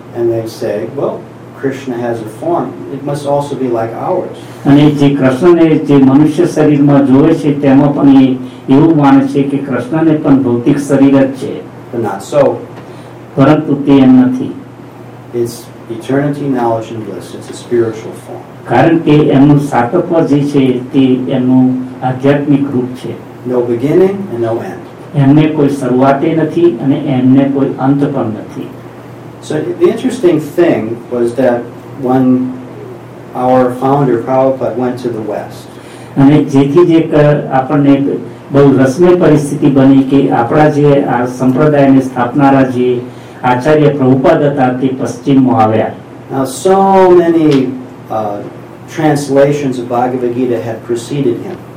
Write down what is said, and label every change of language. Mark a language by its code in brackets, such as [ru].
[en] And they say, well, Krishna has a form. It must also be like ours. [gu] અને જે કૃષ્ણને જે મનુષ્ય શરીરમાં જોવે છે તેમાં પણ એવું માને છે કે કૃષ્ણને પણ ભૌતિક શરીર જ છે. [en] But not so. [gu] પરંતુ તે એમ નથી. [en] It's eternity, knowledge and bliss. It's a spiritual form. [gu] કારણ કે એમનું સાતત્વ જે છે તે એમનું આધ્યાત્મિક રૂપ છે. [en] No beginning and no end. [gu] એમને કોઈ શરૂઆતે નથી અને એમને કોઈ અંત પણ નથી. [en] So the interesting thing was that when our founder Prabhupada went to the West. [gu] અને જેથી જે આપણને બહુ રસમય પરિસ્થિતિ બની કે આપણા જે આ સંપ્રદાયને સ્થાપનારા જે આચાર્ય પ્રભુપાદ હતા તે પશ્ચિમમાં આવ્યા. [en] So many translations of Bhagavad Gita had preceded him.